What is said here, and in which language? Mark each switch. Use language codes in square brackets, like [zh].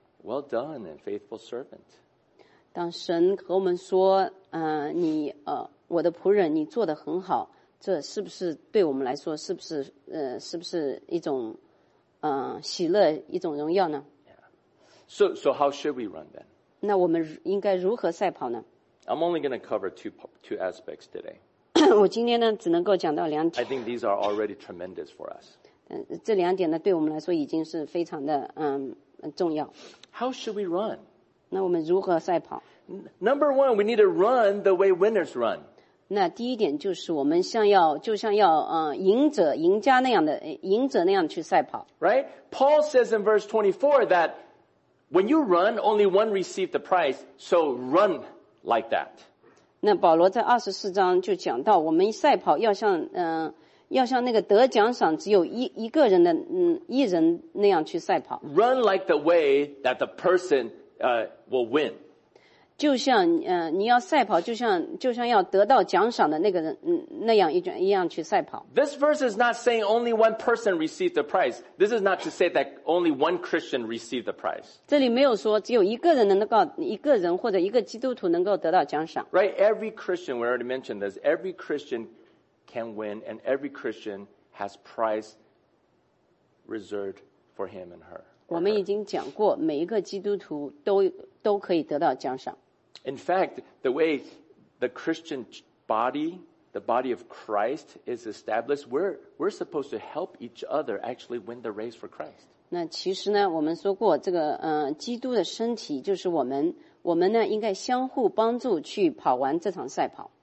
[en] Well done and faithful servant. [zh] 当神和我们说，你我的仆人，你做得很好。这是不是对我们来说，是不是一种喜乐，一种荣耀呢 [en] ？So how should we run then? [zh] 那我们应该如何赛跑呢 [en] ？I'm only going to cover two aspects today. [zh] 我今天呢，只能够讲到两点。 [en] I think these are already tremendous for us. [zh] 这两点呢，对我们来说已经是非常的重要。 [en] How should we run? [zh] 那我们如何赛跑？ [en] Number one, we need to run the way winners run. [zh] 那第一点就是我们就像要赢者那样去赛跑。 [en] Right? Paul says in verse 24 that when you run, only one received the prize, so run like that. [zh] 那保罗在24章就讲到，我们赛跑要像要像那个得奖赏只有一个人的一人那样去赛跑。 [en] Run like the way that the person will win. [zh] 就像你要赛跑，就像要得到奖赏的那个人那样一样去赛跑。 [en] This verse is not saying only one person received the prize. This is not to say that only one Christian received the prize. [zh] 这里没有说只有一个人或者一个基督徒能够得到奖赏。 [en] Right, every Christian, we already mentioned this, every Christian. Can win, and every Christian has prize reserved for him and her. [zh] 我们已经讲过，每一个基督徒都可以得到奖赏。 [en] In fact, the way the Christian body, the body of Christ, is established, we're supposed to help each other actually win the race for Christ. [zh] 那其实呢，我们说过这个基督的身体就是我们呢应该相互帮助去跑完这场赛跑。